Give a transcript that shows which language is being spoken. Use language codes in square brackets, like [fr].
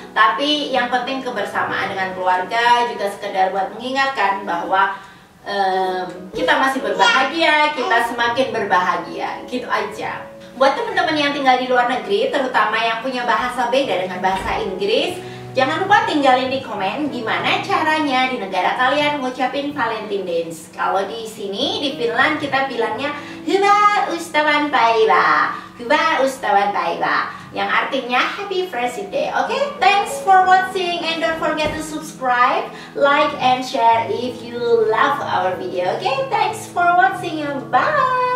[id] Tapi yang penting kebersamaan dengan keluarga, juga sekedar buat mengingatkan bahwa kita masih berbahagia, kita semakin berbahagia, gitu aja. Buat teman-teman yang tinggal di luar negeri, terutama yang punya bahasa beda dengan bahasa Inggris, jangan lupa tinggalin di komen gimana caranya di negara kalian ngucapin Valentine Day. Kalau di sini di Finland kita bilangnya [fi] Hyvä ystävän päivä. Hyvä ystävän päivä. [id] Yang artinya [en] Happy Friendship Day. Okay, thanks for watching and don't forget to subscribe, like and share if you love our video. Okay, thanks for watching and bye.